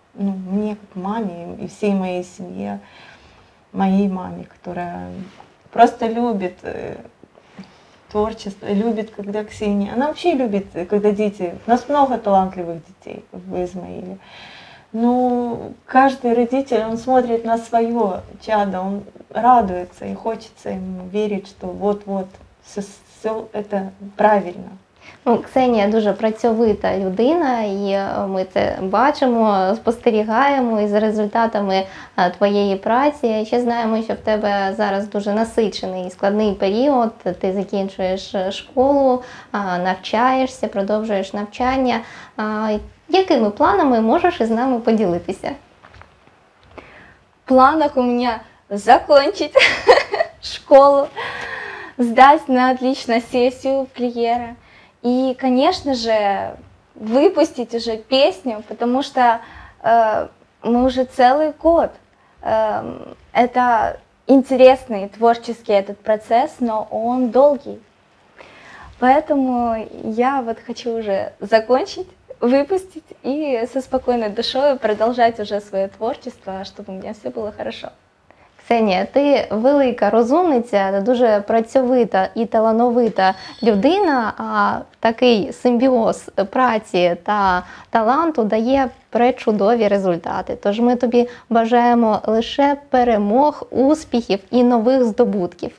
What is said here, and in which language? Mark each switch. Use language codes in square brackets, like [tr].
[ru] Ну, мне, как маме, и всей моей семье, моей маме, которая просто любит творчество, любит, когда Ксения, она вообще любит, когда дети, у нас много талантливых детей в Измаиле. Ну, каждый родитель, он смотрит на свое чадо, он радуется и хочется ему верить, что вот-вот, все это правильно. [uk] Ну, Ксенія дуже працьовита людина, і ми це бачимо, спостерігаємо і за результатами твоєї праці. Ще знаємо, що в тебе зараз дуже насичений і складний період. Ти закінчуєш школу, навчаєшся, продовжуєш навчання. Якими планами можеш із нами поділитися? Планах у мене закінчити школу, здати на отлічну сесію плієра. [ru] И, конечно же, выпустить уже песню, потому что мы уже целый год. Это интересный творческий этот процесс, но он долгий. Поэтому я вот хочу уже закончить, выпустить и со спокойной душой продолжать уже свое творчество, чтобы у меня все было хорошо. [uk] Ксенія, ти велика розумниця, дуже працьовита і талановита людина, а такий симбіоз праці та таланту дає пречудові результати. Тож ми тобі бажаємо лише перемог, успіхів і нових здобутків.